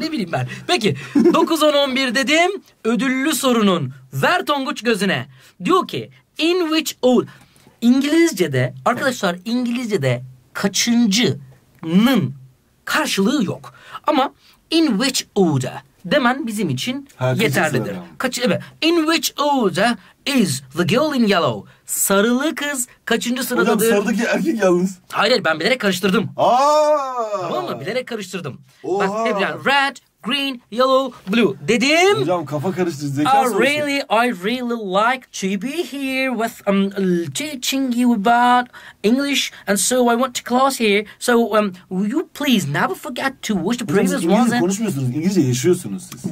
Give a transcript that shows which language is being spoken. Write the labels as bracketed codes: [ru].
[tr] Ne bileyim ben. Peki 9-10-11 dedim. Ödüllü sorunun. Ver Tonguç gözüne. Diyor ki [en] in which order. [tr] İngilizce'de arkadaşlar, İngilizce'de kaçıncının karşılığı yok. Ama [en] in which order [tr] demen bizim için herkes yeterlidir. Kaç, evet. [en] In which order is the girl in yellow? [tr] Sarılı kız kaçıncı sıradadır? Hocam sarıdaki erkek yalnız. Hayır, ben bilerek karıştırdım. Aaa. Tamam mı? Bilerek karıştırdım. Oha. Bak hep yani [en] red, green, yellow, blue [tr] dedim. Hocam kafa karıştı, zeka sorusu. [en] I really like to be here with teaching you about English and so I want to class here. So will you please never forget to watch the previous ones. [tr] Hocam İngilizce konuşmuyorsunuz, İngilizce yaşıyorsunuz siz.